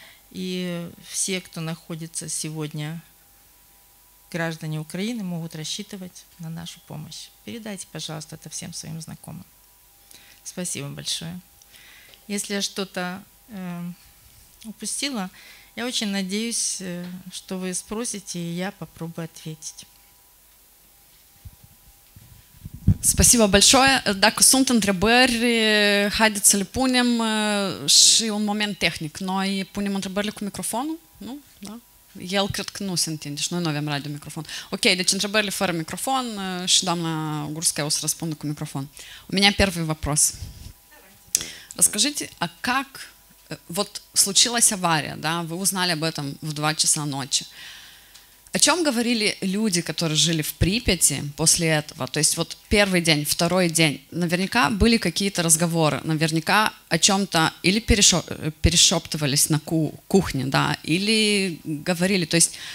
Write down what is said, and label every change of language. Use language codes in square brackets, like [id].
[ru] И все, кто находится сегодня, граждане Украины, могут рассчитывать на нашу помощь. Передайте, пожалуйста, это всем своим знакомым. Спасибо большое. Если я что-то упустила, я очень надеюсь, что вы спросите, и я попробую ответить. Спасибо большое. [ro] Dacă sunt întrebări, haideți să le punem și un moment tehnic. Noi punem întrebările cu microfonul, nu? Da? El cred că nu se întinde și noi nu avem radio microfon. Ok, deci întrebările fără microfon și doamna Gurska o să răspundă cu microfon. [ru] У меня первый вопрос. Расскажите, а как вот случилась авария, да? Вы узнали об этом в 2 часа ночи. О чем говорили люди, которые жили в Припяти после этого? То есть вот первый день, второй день, наверняка были какие-то разговоры, наверняка о чем-то или перешептывались на кухне, да, или говорили. То есть